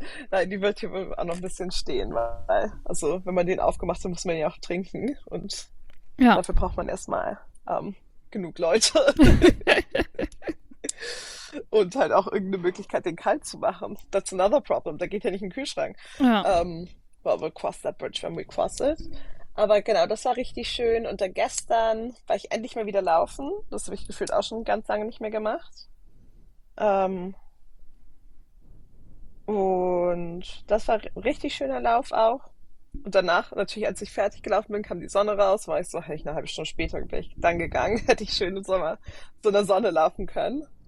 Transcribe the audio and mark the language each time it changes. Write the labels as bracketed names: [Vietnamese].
[German] Nein, die wird hier auch noch ein bisschen stehen, weil, also, wenn man den aufgemacht hat, muss man ja auch trinken und Ja. dafür braucht man erstmal genug Leute. Und halt auch irgendeine Möglichkeit, den kalt zu machen. [English] That's another problem. [German] Da geht ja nicht in den Kühlschrank. Ja. [English] Well, we'll cross that bridge when we cross it. [German] Aber genau, das war richtig schön. Und dann gestern war ich endlich mal wieder laufen. Das habe ich gefühlt auch schon ganz lange nicht mehr gemacht. Und das war richtig schöner Lauf auch. Und danach, natürlich, als ich fertig gelaufen bin, kam die Sonne raus. War ich so, hätte ich eine halbe Stunde später bin ich dann gegangen, hätte ich schön im Sommer so in der Sonne laufen können.